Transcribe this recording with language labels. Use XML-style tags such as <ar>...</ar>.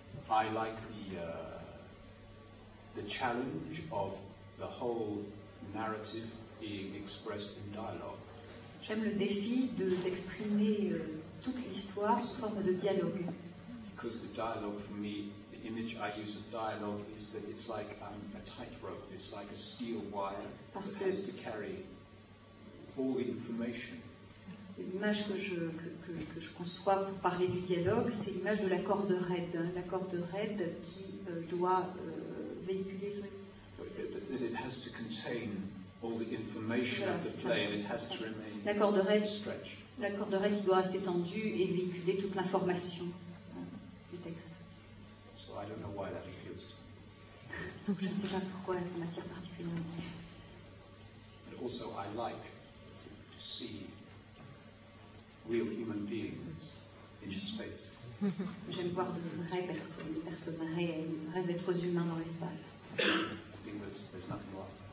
<en>I like the challenge of the whole narrative being expressed in dialogue.</en> <fr>J'aime le défi d'exprimer toute l'histoire sous forme de dialogue.</fr> <en>Because the dialogue for me, the image I use of dialogue is that it's like a tightrope, it's like a steel wire that has to carry all the information.</en> <fr>L'image que je conçois pour parler du dialogue, c'est l'image de la corde raide. Hein, la corde raide qui doit véhiculer...</fr> <en>It has to contain all the information of the play and it has to remain stretched.</en> <fr>La corde raide qui doit rester tendue et véhiculer toute l'information du texte.</fr> <en>So I don't know why that appeals to me.</en> <fr>Donc je ne sais pas pourquoi ça m'attire particulièrement.</fr> <en>But also I like to see real human beings in space.</en> <fr>J'aime voir de vraies personnes, des personnes réelles, de vrais êtres humains dans l'espace.</fr> <en>I think there's nothing wrong.</en>